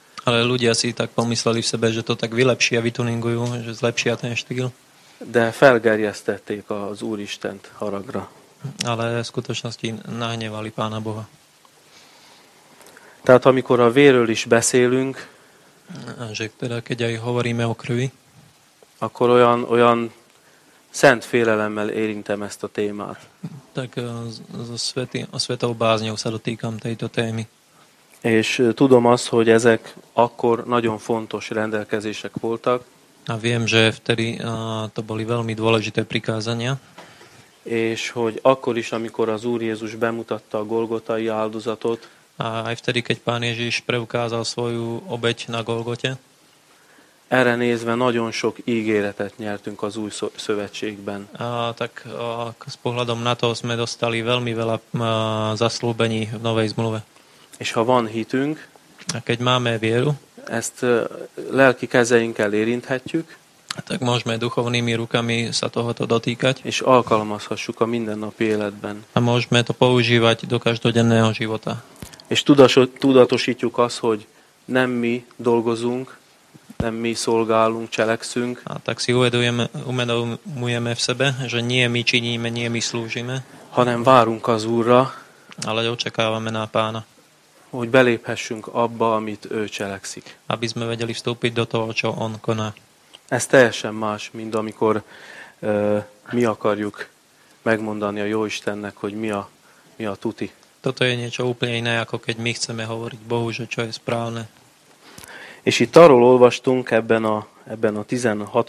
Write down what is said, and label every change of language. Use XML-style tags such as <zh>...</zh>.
<sk>Ale ľudia si tak pomysleli v sebe, že to tak vylepší a vytuningujú, že zlepší a ten štýl.</sk> <hu>De felgerjesztették az Úristent haragra.</hu> <sk>Ale v skutočnosti nahnevali Pána Boha.</sk> <hu>Tehát amikor a vérről is beszélünk,</hu> <sk>že teda keď aj hovoríme o krvi,</sk> <hu>akkor olyan szent félelemmel érintem ezt a témát.</hu> <sk>Tak a svetou bázňou sa dotýkam tejto témy.</sk> <hu>És tudom azt, hogy ezek akkor nagyon fontos rendelkezések voltak.</hu> <sk>A viem, že vtedy to boli veľmi dôležité prikázania.</sk> <hu>És hogy akkor is, amikor az Úr Jézus bemutatta a golgotai áldozatot.</hu> <sk>A aj vtedy, keď Pán Ježiš preukázal svoju obeť na Golgote.</sk> <hu>Erre nézve nagyon sok ígéretet nyertünk az új szövetségben.</hu> <sk>S pohľadom na to sme dostali veľmi veľa zaslúbení v novej zmluve.</sk> <hu>És ha van hitünk,</hu> <sk>a keď máme vieru,</sk> <hu>ezt lelki kezeinkkel érinthetjük,</hu> <sk>tak môžeme duchovnými rukami sa tohoto dotýkať,</sk> <hu>és alkalmazhassuk a mindennapi életben.</hu> <sk>A môžeme to používať do každodenného života.</sk> <hu>És tudatosítjuk azt, hogy nem mi dolgozunk, nem mi szolgálunk, cselekszünk.</hu> <sk>A tak si uvedomujeme v sebe, že nie my činíme, nie my slúžime,</sk> <hu>hanem várunk az Úrra,</hu> <sk>ale očakávame na Pána,</sk> <hu>hogy beléphessünk abba, amit ő cselekszik.</hu> <sk>Aby sme vedeli vstúpiť do toho, čo on koná.</sk> <hu>Ez teljesen más, mint amikor mi akarjuk megmondani a Jóistennek, hogy mi a tuti.</hu> <sk>Toto je niečo úplne iné, ako keď my chceme hovoriť Bohu, že čo je správne.</sk> <hu>És itt arról olvastunk ebben a 16.</hu>